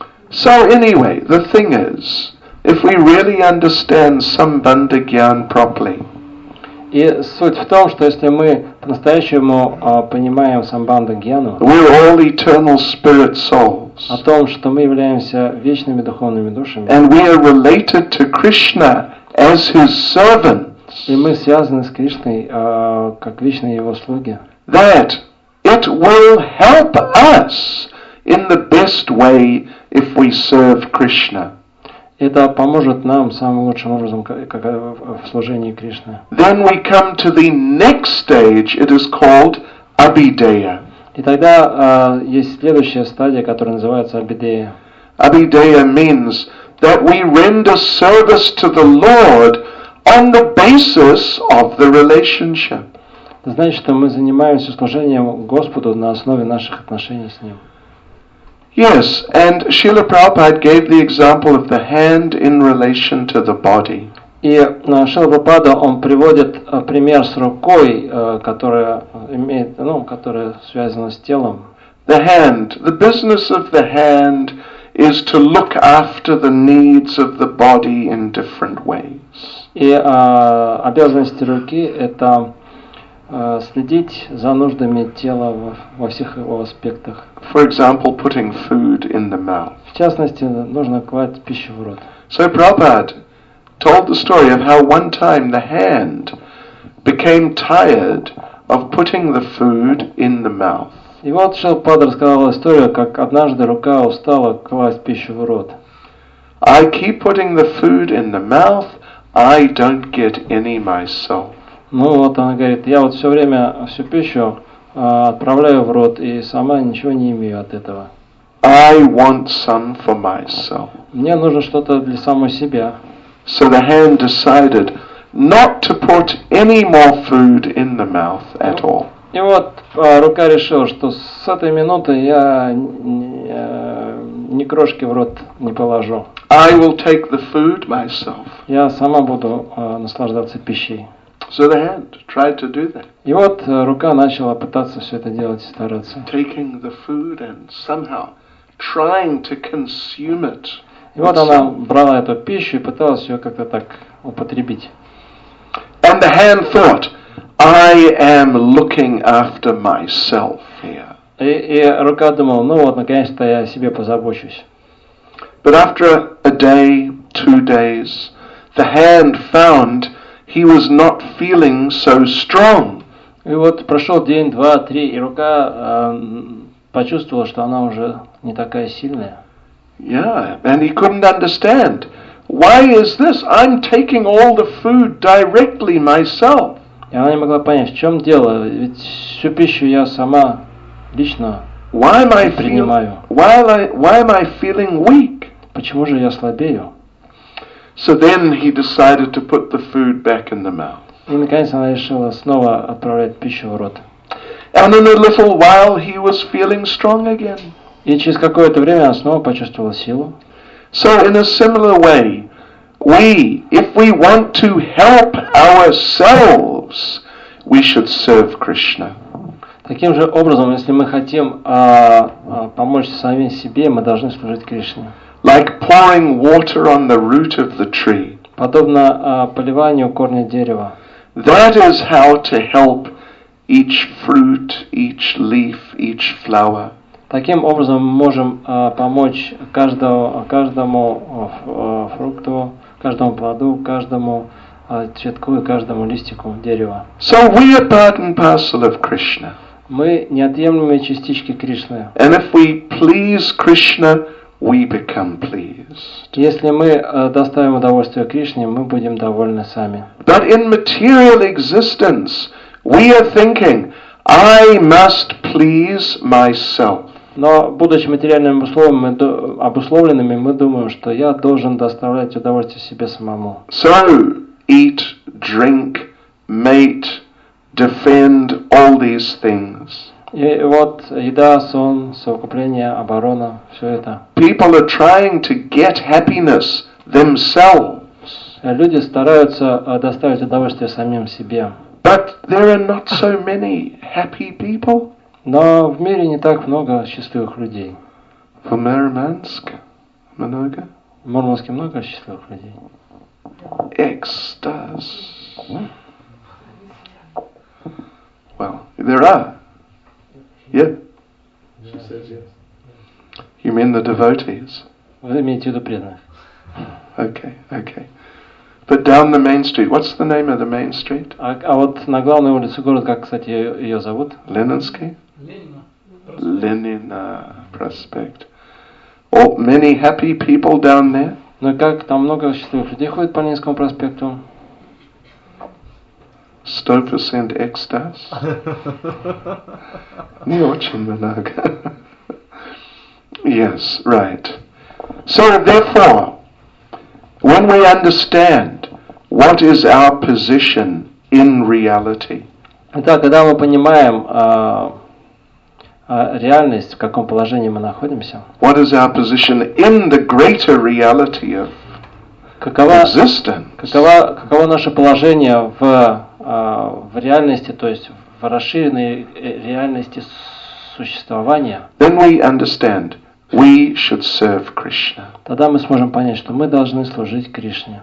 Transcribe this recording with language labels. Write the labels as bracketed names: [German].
[English] So anyway, the thing is, if we really understand Sambandha Gyan properly. [Russian] И суть в том, что если мы по-настоящему понимаем Самбанда Гьяну, [English] we're all eternal spirit souls. souls. [Russian] О том, что мы являемся вечными духовными душами. [English] And we are related to Krishna as his servants. [Russian] И мы связаны с Кришной как вечные его слуги. [English] That it will help us in the best way if we serve Krishna. [Russian] Это поможет нам самым лучшим образом в служении Кришне. [English] Then we come to the next stage. It is called Abhideya. [Russian] И тогда есть следующая стадия, которая называется Абидея. [English] Abhideya means that we render service to the Lord on the basis of the relationship. [Russian] Это значит, что мы занимаемся служением Господу на основе наших отношений с Ним. [English] Yes, and Srila Prabhupada gave the example of the hand in relation to the body. [Russian] И Шрила Прабхупада он приводит пример с рукой, которая имеет, ну, которая связана с телом. [English] The hand, the business of the hand is to look after the needs of the body in different ways. [Russian] И обязанности руки это следить за нуждами тела во всех его аспектах. [English] For example, putting food in the mouth. [Russian] В частности, нужно класть пищу в рот. [English] So Prabhupada told the story of how one time the hand became tired of putting the food in the mouth. [Russian] И вот Шрила Прабхупада рассказал историю, как однажды рука устала класть пищу в рот. [English] I keep putting the food in the mouth, I don't get any myself. [Russian] Ну вот она говорит, я вот все время всю пищу отправляю в рот и сама ничего не имею от этого. [English] I want some for myself. [Russian] Мне нужно что-то для самой себя. [English] So the hand decided not to put any more food in the mouth at all. [Russian] И вот рука решила, что с этой минуты я ни крошки в рот не положу. [English] I will take the food myself. [Russian] Я сама буду наслаждаться пищей. [English] So the hand tried to do that. [Russian] И вот рука начала пытаться все это делать и стараться. [English] Taking the food and somehow trying to consume it. [Russian] И вот она брала эту пищу и пыталась ее как-то так употребить. [English] And the hand thought, I am looking after myself here. [Russian] И рука думала, ну вот наконец-то я о себе позабочусь. [English] But after a day, two days, the hand found he was not feeling so strong. [Russian] И вот прошел день, два, три, и рука почувствовала, что она уже не такая сильная. [English] Yeah, and he couldn't understand. Why is this? I'm taking all the food directly myself. [Russian] И она не могла понять, в чем дело, ведь всю пищу я сама лично принимаю. [English] Why am I feeling weak? [Russian] Почему же я слабею? [English] So then he decided to put the food back in the mouth. [Russian] И наконец она решила снова отправлять пищу в рот. [English] And in a little while he was feeling strong again. [Russian] И через какое-то время она снова почувствовала силу. [English] So in a similar way, we, if we want to help ourselves, we should serve Krishna. [Russian] Таким же образом, если мы хотим помочь самим себе, мы должны служить Кришне. [English] Like pouring water on the root of the tree. [Russian] Подобно поливанию корня дерева. [English] That is how to help each fruit, each leaf, each flower. [Russian] Таким образом мы можем помочь каждому фрукту, каждому плоду, каждому цветку и каждому листику дерева. [English] So we are part and parcel of Krishna. [Russian] Мы неотъемлемые частички Кришны. [English] And if we please Krishna, we become pleased. [Russian] Если мы доставим удовольствие Кришне, мы будем довольны сами. [English] But in material existence, we are thinking, I must please myself. [Russian] Но будучи материальными обусловленными, мы думаем, что я должен доставлять удовольствие себе самому. [English] So, eat, drink, mate, defend, all these things. [Russian] И вот еда, сон, совокупление, оборона, все это. [English] People are trying to get happiness themselves. [Russian] Люди стараются доставить удовольствие самим себе. [English] But there are not so many happy people. [Russian] Но в мире не так много счастливых людей. В Мурманске много? В Мурманске много счастливых людей. Экстаз. [English] Well, there are. Yeah? She says yes. You mean the devotees? [Russian] Вы имеете в виду преданных? [English] Okay, okay. But down the main street, what's the name of the main street? [Russian] А вот на главной улице города, как, кстати, ее зовут? Ленинский? Ленина проспект. [English] Oh, many happy people down there. [Russian] Но как там много счастливых людей ходит по Ленинскому проспекту? 100% экстаз? Не очень много. [English] Yes, right. So therefore, when we understand what is our position in reality. [Russian] Итак, когда мы понимаем реальность, в каком положении мы находимся. [English] What is our position in the greater reality of existence? [Russian] Каково наше положение в реальности, то есть в расширенной реальности существования? [English] Then we understand. We should serve Krishna. [Russian] Тогда мы сможем понять, что мы должны служить Кришне.